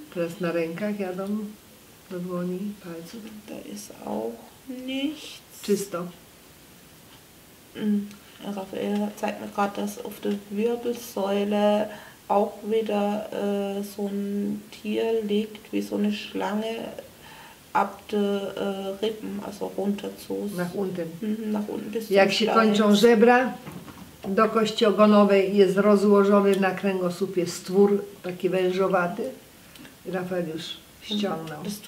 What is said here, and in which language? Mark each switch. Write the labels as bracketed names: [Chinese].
[Polish] Teraz na rękach jadą do dłoni, palców. [German] Da ist auch nichts. [Polish] Czysto. [German] Rafael zeigt mir gerade, dass auf der Wirbelsäule auch wieder so ein Tier liegt, wie so eine Schlange ab den Rippen, also runter zu. Nach unten. Nach unten bis [Polish] jak się kończą żebra? Do kości ogonowej jest rozłożony na kręgosłupie stwór, taki wężowaty. Rafael już ściągnął.